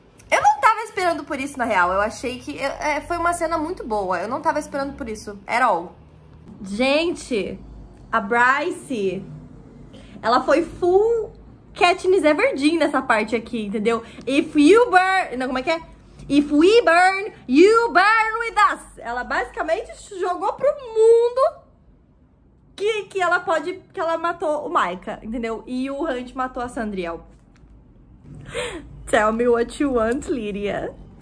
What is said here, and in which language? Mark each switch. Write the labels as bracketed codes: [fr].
[pt] Eu não tava esperando por isso, na real. Eu achei que... foi uma cena muito boa. Eu não tava esperando por isso. [en] At all. [pt] Gente, a Bryce, ela foi full Katniss Everdeen nessa parte aqui, entendeu? [en] If you burn... [pt] Não, como é que é? [en] If we burn, you burn with us. [pt] Ela basicamente jogou pro mundo... Que ela matou o Micah, entendeu? E o Hunt matou a Sandriel. [en] Tell me what you want, Lydia.